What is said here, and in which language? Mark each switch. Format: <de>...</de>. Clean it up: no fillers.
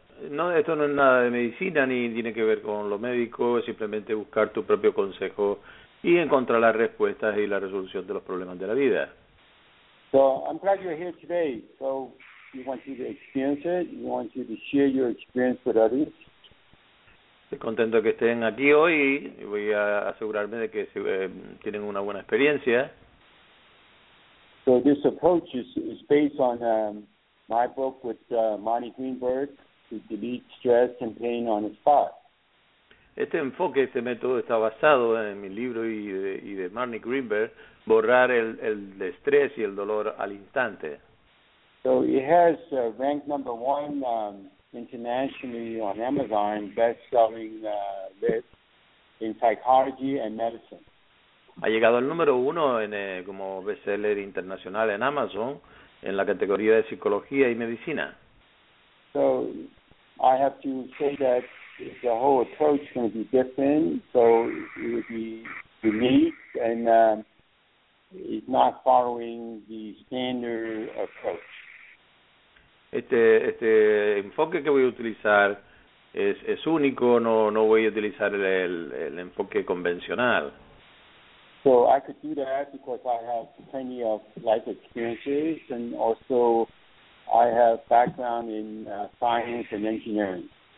<es>No, esto no es nada de medicina ni tiene que ver con lo médico, es simplemente buscar tu propio consejo y encontrar las respuestas y la resolución de los problemas de la vida.</es> <en>So I'm glad you're here today. So we want you to experience it, we want you to share your experience with others.</en> <es>Estoy contento que estén aquí hoy y voy a asegurarme de que tienen una buena experiencia.</es> <en>So this approach is based on my book with Monty Greenberg, to delete stress and pain on the spot.</en> <es>Este enfoque, este método está basado en mi libro y de Monty Greenberg, borrar el estrés y el dolor al instante.</es> <en>So it has ranked number one internationally on Amazon, best-selling list in psychology and medicine.</en> <es>Ha llegado al número uno como bestseller internacional en Amazon en la categoría de psicología y medicina.</es> <en>So I have to say that the whole approach is going to be different. So it would be unique and it's not following the standard approach.</en> <es>Este enfoque que voy a utilizar es único, no voy a utilizar el enfoque convencional.</es> <en>So I could do that because I have plenty of life experiences and also I have background in science and engineering.</en>